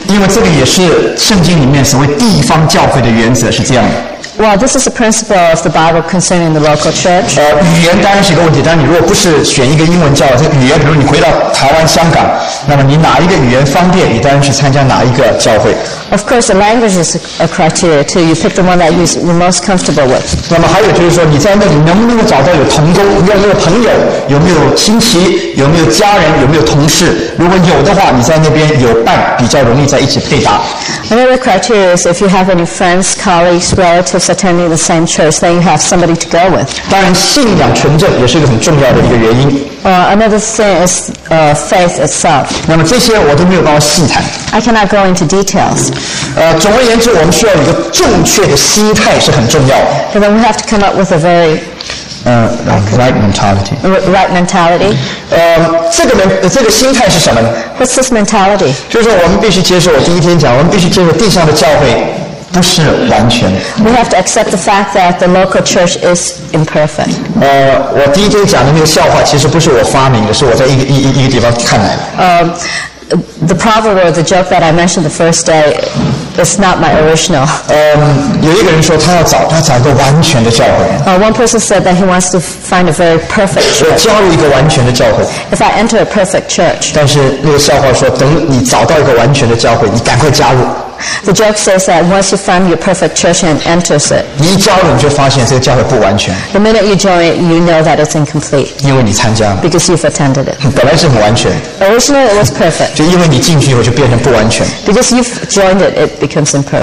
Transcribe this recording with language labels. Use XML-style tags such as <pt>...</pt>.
<zh>因为这个也是圣经里面所谓地方教会的原则是这样的。</zh> <en>Well, this is a principle of the Bible concerning the local church.</en> <zh>语言当然是一个问题，但你如果不是选一个英文教，这语言，比如你回到台湾、香港，那么你哪一个语言方便，你当然去参加哪一个教会。</zh> <en>Of course, the language is a criteria too. You pick the one that you're most comfortable with.</en> <zh>那么还有就是说，你在那里能不能找到有同工，有没有朋友，有没有亲戚，有没有家人，有没有同事？如果有的话，你在那边有伴，比较容易在一起配搭。</zh> <en>Another criteria is if you have any friends, colleagues, relatives attending the same church, then you have somebody to go with.</en> <zh>当然，信仰纯正也是一个很重要的一个原因。</zh> <en>Another thing is faith itself.</en> <zh>那么这些我都没有办法细谈。</zh> <en>I cannot go into details.</en> <zh>总而言之，我们需要一个正确的心态是很重要的。</zh> <en>And then we have to come up with a very right mentality. Right mentality.</en> <zh>这个心态是什么呢</zh> <en>？What's this mentality?</en> <zh>就是说，我们必须接受我第一天讲，我们必须接受地上的教会。不是完全。</zh> <en>We have to accept the fact that the local church is imperfect.</en> <zh>我第一天讲的那个笑话其实不是我发明的，是我在一个地方看来的。</zh> <en>The proverb or the joke that I mentioned the first day is not my original.</en> <zh>有一个人说他要找一个完全的教会。</zh> <en>One person said that he wants to find a very perfect church.</en> <zh>我加入一个完全的教会。</zh> <en>If I enter a perfect church.</en> <zh>但是那个笑话说，等你找到一个完全的教会，你赶快加入。</zh> <en>The joke says that once you find your perfect church and enters it,</en> <zh>你一加入你就发现这个教会不完全。</zh> <en>The minute you join it, you know that it's incomplete.</en> <zh>因为你参加了。</zh> <en>Because you've attended it.</en> <zh>本来是很完全。</zh> <en>Originally it was perfect.</en> <zh>就因为你进去以后就变成不完全。</zh> <en>Because you've joined it, it becomes imperfect.</en>